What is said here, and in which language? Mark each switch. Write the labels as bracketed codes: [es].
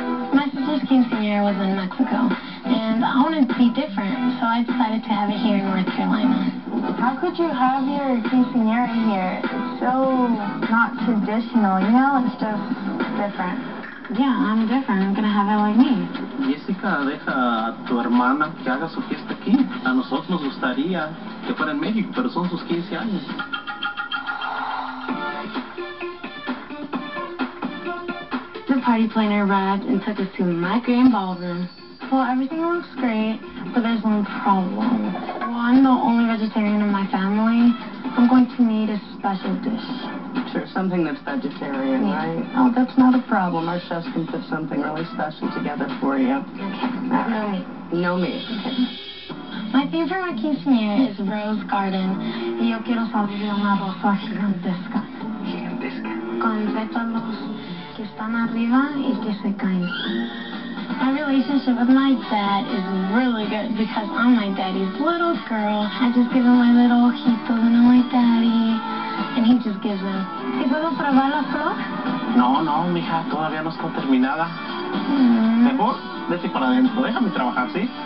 [en] My sister's quinceañera was in Mexico, and I wanted to be different, so I decided to have it here in North Carolina. How could you have your quinceañera here? It's so not traditional, you know? It's just different. Yeah, I'm different. I'm gonna have it like me. [es] Jessica, deja a tu hermana que haga su fiesta aquí. A nosotros nos gustaría que fuera en México, pero son sus 15 años. [en] The party planner arrived and took us to my grand ballroom. Well, everything looks great, but there's one problem. Well, I'm the only vegetarian in my family. I'm going to need a special dish. Sure, something that's vegetarian, yeah. Right? Oh, that's not a problem. Our chefs can put something really special together for you. Okay. No No meat. Okay. My theme for my quinceañera is Rose Garden. [es] Yo quiero salir de una rosa gigantesca. Gigantesca. Con pétalos que están arriba y que se caen. [en] My relationship with my dad is really good because I'm my daddy's little girl. I just give him my little ojitos and I'm like, daddy, and he just gives them. [es] ¿Y puedo probar la flor? No, no, mija, todavía no está terminada. Mejor, vete para adentro, déjame trabajar, ¿sí?